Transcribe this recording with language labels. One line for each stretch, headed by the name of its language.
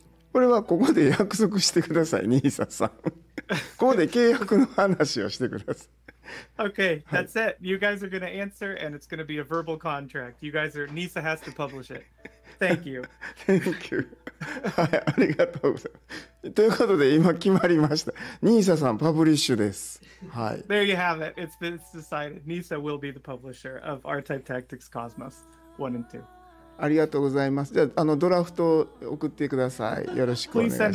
Japanese: これはここで約束してください、NISA さん。ここで契約の話をしてください。
English: Okay, that's it. You guys are going to answer, and it's going to be a verbal contract. You guys are, NISA has to publish it. Thank you. Thank you.
Japanese: はい、ありがとうございます。ということで、今決まりました。 NISA さん、パブリッシュです。はい。
English: There you have it. It's been decided. NISA will be the publisher of R-Type Tactics Cosmos 1 and 2.
Japanese: ありがとうございます。じゃあ、ドラフトを送ってください。よろしくお願いします。